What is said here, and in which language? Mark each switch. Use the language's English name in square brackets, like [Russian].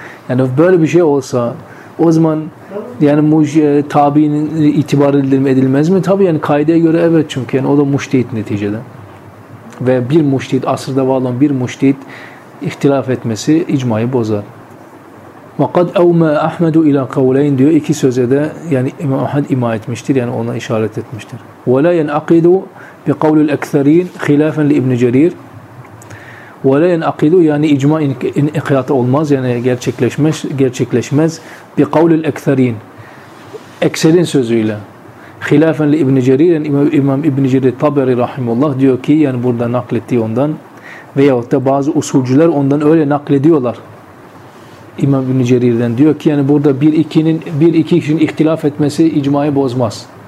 [Turkish] Yani böyle bir şey olsa o zaman yani tabiinin itibar edilir mi edilmez mi? Tabii yani kaideye göre evet, çünkü yani o da müçtehit neticede. Ve bir müçtehit, asırda var olan bir müçtehit ihtilaf etmesi icmayı bozar. [Arabic] وَقَدْ اَوْمَا اَحْمَدُ اِلَى قَوْلَيْنِ [Turkish] diyor. İki sözde de yani İmam Ahmed ima etmiştir. Yani ona işaret etmiştir. [Arabic] وَلَا يَنْعَقِدُ بِقَوْلُ الْاَكْثَرِينَ خِلَافًا لِإِبْنِ جَرِيرٍ وَلَا يَنْعَقِدُ [Turkish] yani icma inkıyatı olmaz. Yani gerçekleşmez. [Arabic] بِقَوْلُ الْاَكْثَرِينَ [Turkish] ekserin sözüyle. [Arabic] خِلَافًا لِإِبْنِ جَرِيرٍ [Turkish] İmam İbn Cerir Taberi rahimullah diyor ki yani burada naklettiği ondan veyahut da bazı usulcüler ondan öyle naklediyorlar. İmam İbn-i Cerir'den diyor ki yani burada bir iki kişinin ihtilaf etmesi icmayı bozmaz.